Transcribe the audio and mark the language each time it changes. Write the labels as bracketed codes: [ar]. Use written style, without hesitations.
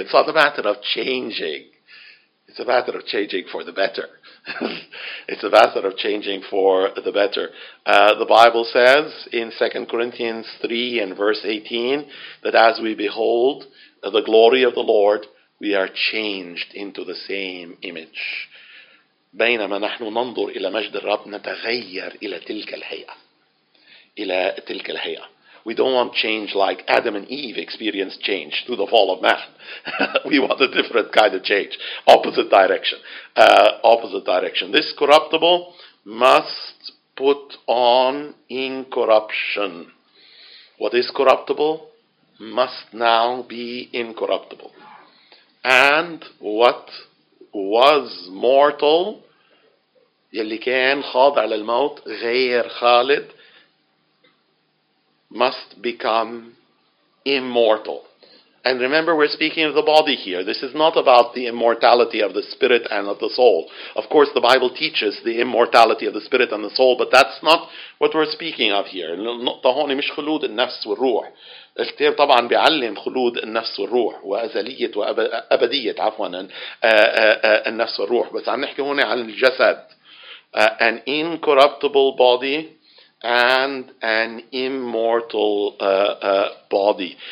[en] It's not a matter of changing. It's a matter of changing for the better. It's a matter of changing for the better. The Bible says in 2 Corinthians 3 and verse 18 that as we behold the glory of the Lord, we are changed into the same image. [ar] بينما نحن ننظر إلى مجد الرب نتغير إلى تلك الهيئة. إلى تلك الهيئة. [en] We don't want change like Adam and Eve experienced change through the fall of man. We want a different kind of change. Opposite direction. This corruptible must put on incorruption. What is corruptible must now be incorruptible. And what was mortal [ar] يلي كان خاضع للموت غير خالد [en] must become immortal. And remember, we're speaking of the body here. This is not about the immortality of the spirit and of the soul. Of course, the Bible teaches the immortality of the spirit and the soul, but that's not what we're speaking of here. [ar] طهوني مش خلود النفس والروح. الكتاب طبعا بيعلم خلود النفس والروح وأزلية وأبدية عفوا النفس والروح. بس عم نحكي هون عن الجسد. [en] An incorruptible body and an immortal body.